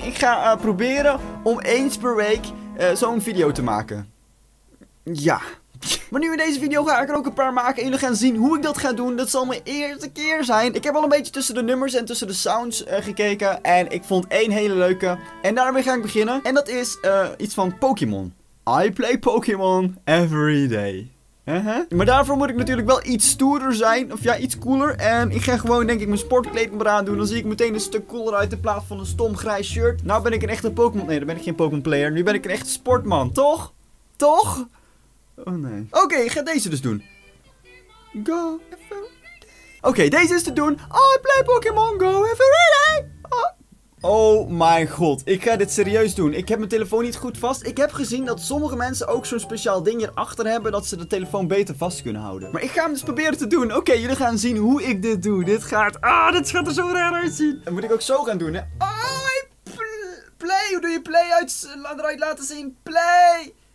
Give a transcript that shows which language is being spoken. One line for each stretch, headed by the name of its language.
Dutch: Ik ga proberen om eens per week zo'n video te maken. Ja. Maar nu in deze video ga ik er ook een paar maken en jullie gaan zien hoe ik dat ga doen. Dat zal mijn eerste keer zijn. Ik heb al een beetje tussen de nummers en tussen de sounds gekeken. En ik vond één hele leuke. En daarmee ga ik beginnen. En dat is iets van Pokémon.
English: I play Pokémon every day.
Dutch: Maar daarvoor moet ik natuurlijk wel iets stoerder zijn. Of ja, iets cooler. En ik ga gewoon denk ik mijn sportkleding eraan doen. Dan zie ik meteen een stuk cooler uit in plaats van een stom grijs shirt. Nou ben ik een echte Pokémon. Nee, dan ben ik geen Pokémon player. Nu ben ik een echte sportman. Toch? Toch? Oh nee. Oké, ik ga deze dus doen. Go. Oké, deze is te doen.
English: I play Pokémon Go every day.
Dutch: Oh mijn god. Ik ga dit serieus doen. Ik heb mijn telefoon niet goed vast. Ik heb gezien dat sommige mensen ook zo'n speciaal ding hierachter hebben. Dat ze de telefoon beter vast kunnen houden. Maar ik ga hem dus proberen te doen. Oké, jullie gaan zien hoe ik dit doe. Dit gaat... dit gaat er zo raar uitzien. Dat moet ik ook zo gaan doen, hè.
English: I play.
Dutch: Hoe doe je play uit? Laat eruit laten zien. Play.